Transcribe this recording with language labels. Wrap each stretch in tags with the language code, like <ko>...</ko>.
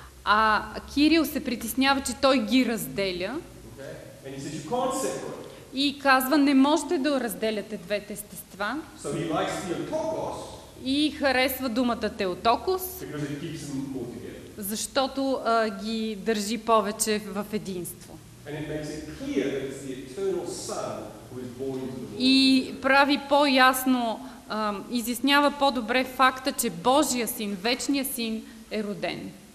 <bg>А Кирил се притеснява, че той ги разделя.</bg> <en>And he says, you can't separate.</en> <bg>И казва, не можете да разделяте двете естества.</bg> <en>So he likes theotokos.</en> <bg>И харесва думата теотокос.</bg> <en>Because it keeps them all together.</en> <bg>Защото ги държи повече в единство.</bg> <en>And it makes it clear that it's the eternal Son who is born into the world.</en> <bg>И прави по-ясно, изяснява по-добре факта, че Божия син, вечния син е роден.</bg>